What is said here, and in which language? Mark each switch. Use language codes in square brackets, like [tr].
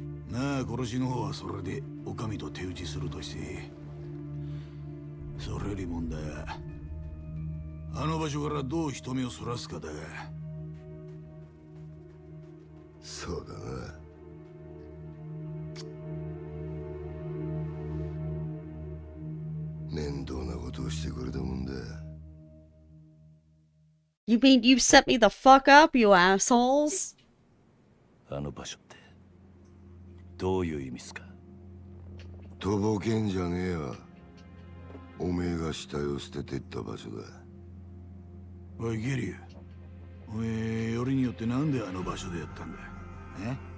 [ja] まあ殺しの方はそれで女将と手打ちするとして、それより問題はあの場所からどう人目をそらすかだが。そうだな。面倒なことをしてくれたもんだ。 [en] You mean you set me the fuck up, you assholes? [ja] あの場所ってどういう意味すか。とぼけんじゃねえよ。おめえが死体を捨ててった場所だ。おい、ゲリュ。おめえよりによってなんであの場所でやったんだ。え？